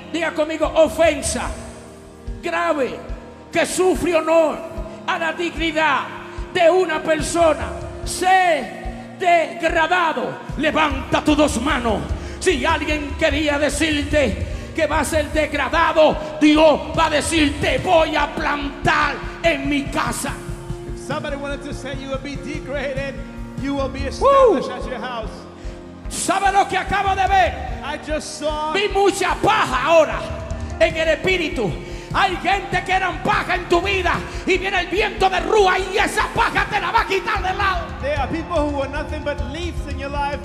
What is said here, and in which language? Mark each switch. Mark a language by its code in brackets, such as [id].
[es] Diga conmigo, ofensa grave que sufre honor a la dignidad de una persona. Sé degradado. Levanta tus dos manos. Si alguien quería decirte que va a ser degradado, Dios va a decirte, voy a plantar en mi casa. [en] If somebody wanted to say you will be degraded, you will be established at your house. [es] ¿Sabe lo que acabo de ver? [en] I just saw. [es] Vi mucha paja ahora en el espíritu. Hay gente que eran paja en tu vida y viene el viento de rúa y esa paja te la va a quitar de lado. [en] There are people who are nothing but leaves in your life.